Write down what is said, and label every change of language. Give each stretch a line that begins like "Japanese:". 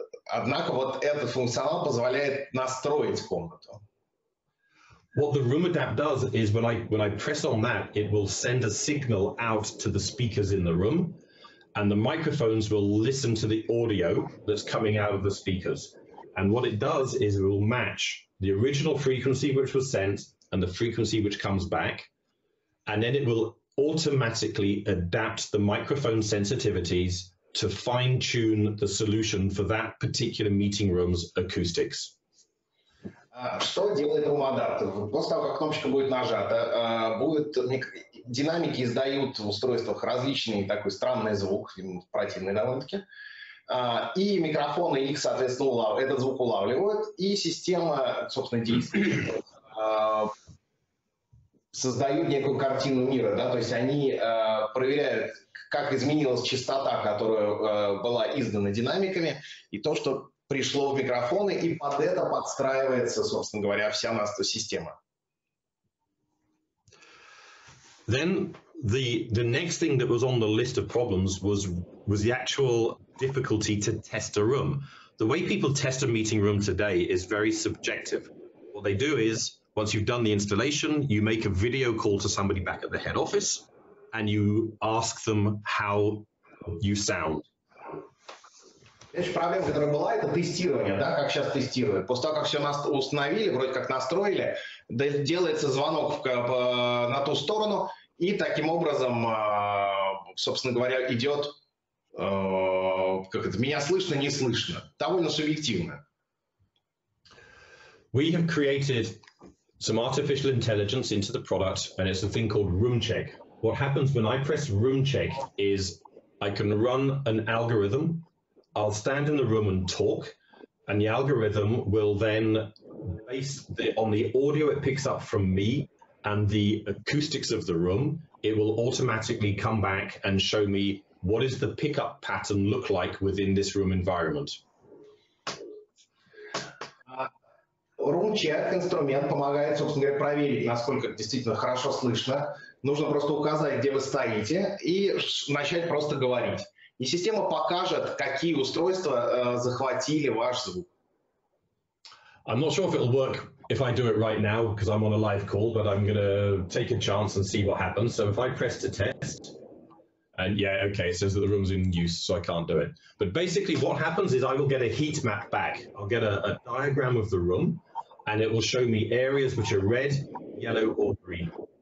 Russian: Однако вот этот функционал позволяет настроить комнату.
English: What the Room Adapt does is when I press on that, it will send a signal out to the speakers in the room, and the microphones will listen to the audio that's coming out of the speakers. And what it does is it will match the original frequency which was sent and the frequency which comes back, and then it will automatically adapt the microphone sensitivities to fine-tune the solution for that particular meeting room's acoustics.
Russian: Что делает Room Adapt? После того, как кнопочка будет нажата, будет динамики издают в устройствах различный такой странный звук, противный довольно-таки, и микрофоны их, соответственно, этот звук улавливают, и система, собственно, действует, создают некую картину мира, да, то есть они проверяют, как изменилась частота, которая была издана динамиками, и то, что пришло в микрофоны, и под это подстраивается, собственно говоря, вся наша система.
English: Then the next thing that was on the list of problems was the actual difficulty to test a room. The way people test a meeting room today is very subjective. What they do is, once you've done the installation, you make a video call to somebody back at the head office, and you ask them how you sound.
Russian: Значит, проблема, которая была, это тестирование, да, как сейчас тестируют. После того, как все установили, вроде как настроили, делается звонок на ту сторону, и таким образом, собственно говоря, идет, как это, меня слышно, не слышно. Довольно субъективно.
English: We have created some artificial intelligence into the product, and it's a thing called room check. What happens when I press room check is I can run an algorithm. I'll stand in the room and talk, and the algorithm will then base the, on the audio it picks up from me and the acoustics of the room, it will automatically come back and show me what is the pickup pattern look like within this room environment.
Russian: Room check инструмент помогает, собственно говоря, проверить, насколько действительно хорошо слышно. Нужно просто указать, где вы стоите, и начать просто говорить. И система покажет, какие устройства захватили ваш звук.
English: I'm not sure if it'll work if I do it right now, because I'm on a live call, but I'm gonna take a chance and see what happens. So if I press to test, and yeah, okay, it says that the room's in use, so I can't do it. But basically what happens is I will get a heat map back. I'll get a diagram of the room, and it will show me areas which are red, yellow, or green.